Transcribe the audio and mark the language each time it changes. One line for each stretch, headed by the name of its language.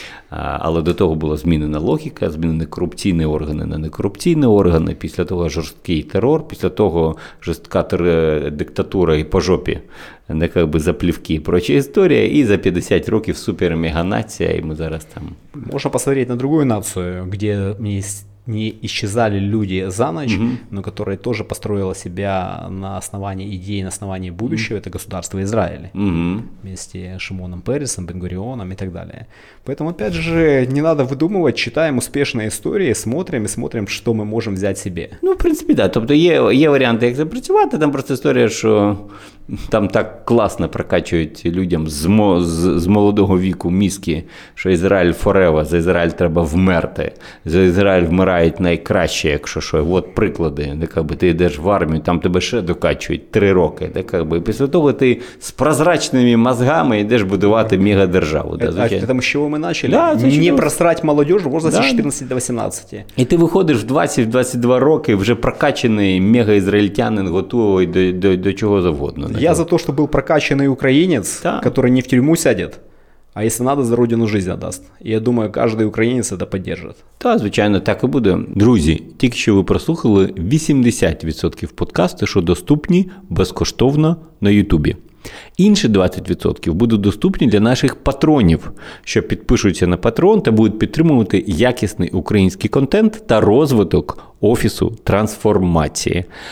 Ukrainian: Але до того була змінена логіка, змінені корупційні органи на некорупційні органи, після того жорсткий терор, після того жорстка диктатура і по жопі, не якби заплівки і проча історія, і за 50 років супер-мега-нація, і ми зараз там... Можна
Russian: посмотреть на другую
Ukrainian: націю, де мені
Russian: не исчезали люди за ночь, но которая тоже построила себя на основании идей, на основании будущего, это государство Израиль. Вместе с Шимоном Пересом, Бен-Гурионом и так далее. Поэтому, опять же, не надо выдумывать, читаем успешные истории, смотрим и смотрим, что мы можем взять себе. Ну, в принципе, да.
Ukrainian: Тобто є варианты, як запрацювати, там просто история, що там так класно прокачують людям з молодого віку мізки, що Ізраїль forever, за Ізраїль треба вмерти, за Ізраїль вмирає вибирають найкраще, якщо що. От приклади. Так, якби, ти йдеш в армію, там тебе ще докачують 3 роки. Так, якби. Після того ти з прозрачними мозгами йдеш будувати мегадержаву. Так, звичайно. Тому що ми почали.
Russian: Да, не просрать молодежу в возрасті 14 до 18.
Ukrainian: І ти виходиш в 20-22 роки, вже прокачений мегаізраїльтянин, готовий до чого завгодно. Я за те, що був прокачений українець, який не в тюрму
Russian: сядет. А если надо, за родину жизнь отдаст. Я думаю, каждый украинец это поддержит. Да,
Ukrainian: звичайно,
Russian: так и будет.
Ukrainian: Друзі, тільки що ви прослухали, 80% подкасту, що доступні безкоштовно на Ютубі. Інші 20% будуть доступні для наших патронів, що підпишуться на патрон та будуть підтримувати якісний український контент та розвиток офісу трансформації.